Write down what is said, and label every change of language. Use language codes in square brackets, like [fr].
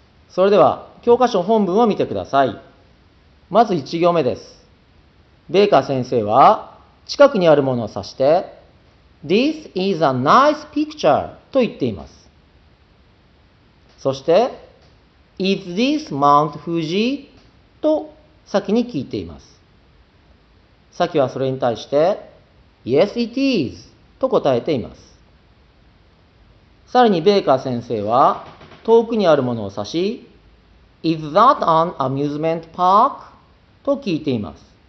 [ja] それでは、教科書本文を見てください。まず1行目です。ベーカー先生は、近くにあるものを指して、 [en] This is a nice picture [ja] と言っています。 [en] そして、Is this Mount Fuji? [ja] と先に聞いています。先はそれに対して、 [en] Yes, it is [ja] と答えています。さらにベーカー先生は、遠くにあるものを指し、 [en] Is that an amusement park? [ja] と聞いています。